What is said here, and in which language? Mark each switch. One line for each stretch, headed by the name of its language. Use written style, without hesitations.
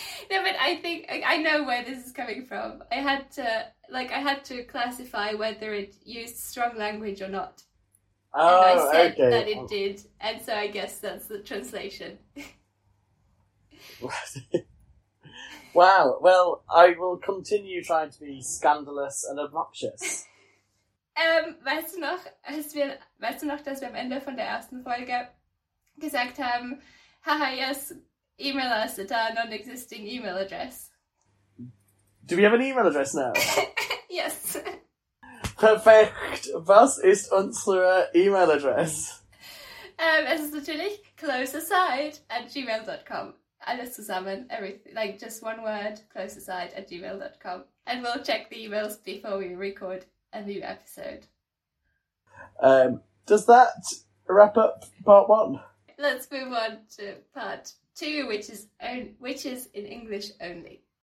English: No, but I think, I know where this is coming from. I had to classify whether it used strong language or not. Oh, okay. And I said okay. that it did, and so I guess that's the translation. Wow, well, I will continue trying to be scandalous and obnoxious.
German: Weißt du noch, dass wir am Ende von der ersten Folge gesagt haben,
English: haha, yes, email us at our non-existing email address. Do we have an email address now? Yes. Perfect.
German: Was ist unsere email address? Es ist natürlich closeaside@gmail.com. Alles zusammen,
English: everything, like just one word, closeaside@gmail.com. And we'll check the emails before we record a new episode. Does that wrap up part one? Let's move on to part two, which is in English only.